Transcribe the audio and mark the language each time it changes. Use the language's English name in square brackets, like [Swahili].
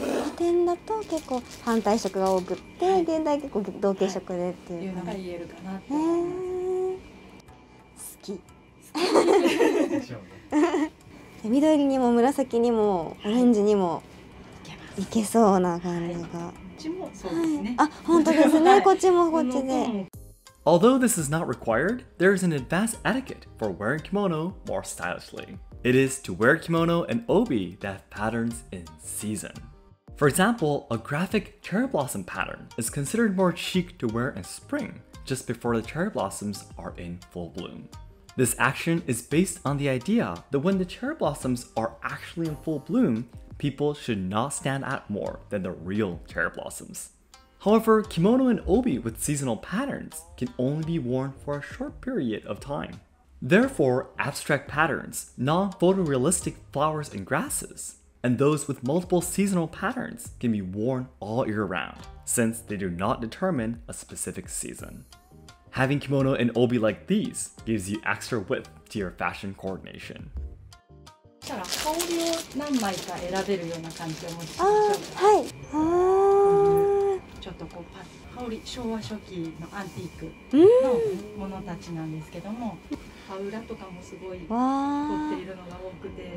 [Japanese] 古典だと結構反対色が多くって、はい、現代結構同系色でっていう、はい、いうのが言えるかなって思います。好きでしょうね。緑にも紫にもオレンジにもいけそうな感じが、はい、こっちもそうですね、はい、あ、本当ですね。こっちもこっちで。 [English] Although this is not required, there is an advanced etiquette for wearing kimono more stylishly. It is to wear kimono and obi that patterns in season. For example, a graphic cherry blossom pattern is considered more chic to wear in spring, just before the cherry blossoms are in full bloom. This action is based on the idea that when the cherry blossoms are actually in full bloom, people should not stand out more than the real cherry blossoms. However, kimono and obi with seasonal patterns can only be worn for a short period of time. Therefore, abstract patterns, non-photorealistic flowers and grasses, and those with multiple seasonal patterns can be worn all year round, since they do not determine a specific season. Having kimono and obi like these gives you extra width to your fashion coordination. [Japanese] じゃあ、羽織を何枚か選べるような感じで持ちましょう。あ、はい。あ、ちょっとこう、羽織、昭和初期のアンティークのものたちなんですけども、羽裏とかもすごい凝っているのが多くて。